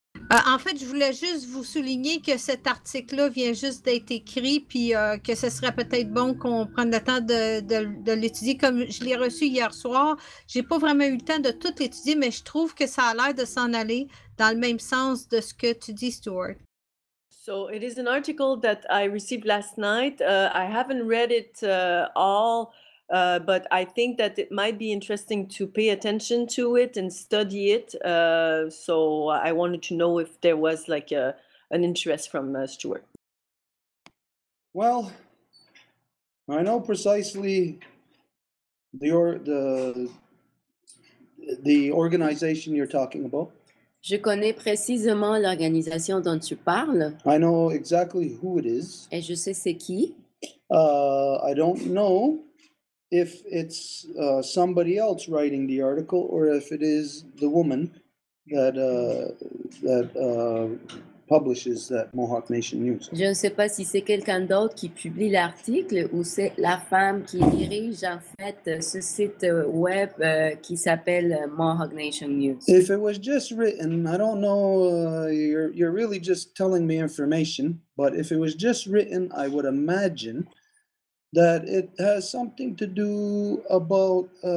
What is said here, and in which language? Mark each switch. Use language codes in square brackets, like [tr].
[fr] En fait, je voulais juste vous souligner que cet article-là vient juste d'être écrit, puis que ce serait peut-être bon qu'on prenne le temps de l'étudier. Comme je l'ai reçu hier soir, j'ai pas vraiment eu le temps de tout étudier, mais je trouve que ça a l'air de s'en aller dans le même sens de ce que tu dis, Stuart. [en] So it is an article that I received last night. I haven't read it all, but I think that it might be interesting to pay attention to it and study it. So I wanted to know if there was like an interest from Stuart. Well, I know precisely the organization you're talking about. [fr] Je connais précisément l'organisation dont tu parles. [en] I know exactly who it is. [fr] Et je sais c'est qui. [en] I don't know if it's somebody else writing the article or if it is the woman that publishes that Mohawk Nation News. [fr] Je ne sais pas si c'est quelqu'un d'autre qui publie l'article ou c'est la femme qui dirige en fait ce site web qui s'appelle Mohawk Nation News. [en] If it was just written, I don't know, you're really just telling me information, but if it was just written, I would imagine that it has something to do about